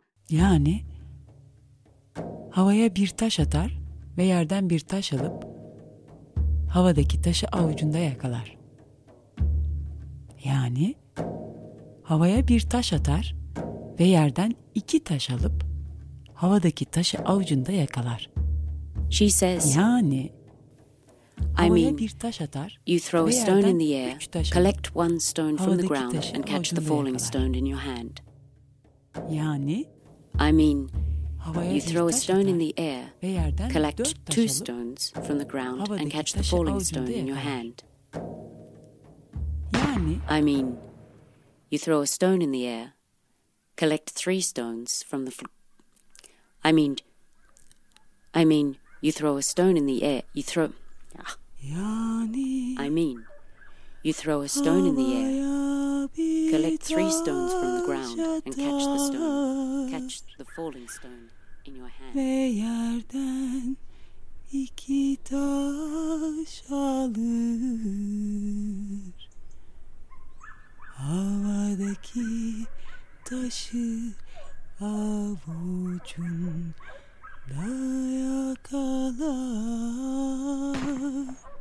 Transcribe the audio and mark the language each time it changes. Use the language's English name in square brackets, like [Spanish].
[Turkish] Yani havaya bir taş atar ve yerden bir taş alıp havadaki taşı avucunda yakalar. Yani havaya bir taş atar ve yerden iki taş alıp havadaki taşı avucunda yakalar. [English] She says. Yani I mean, you throw a stone in the air, collect one stone from the ground and catch the falling stone in your hand. [Turkish] Yani? [English] I mean, you throw a stone in the air, collect two stones from the ground and catch the falling stone in your hand. [Turkish] Yani? [English] I mean, you throw a stone in the air, collect three stones from the... I mean, you throw a stone in the air, you throw... I mean, you throw a stone in the air, collect three stones from the ground and catch the stone, catch the falling stone in your hand. [Turkish] Ve yerden iki taş alır, havadaki taşı avucunda yakalar.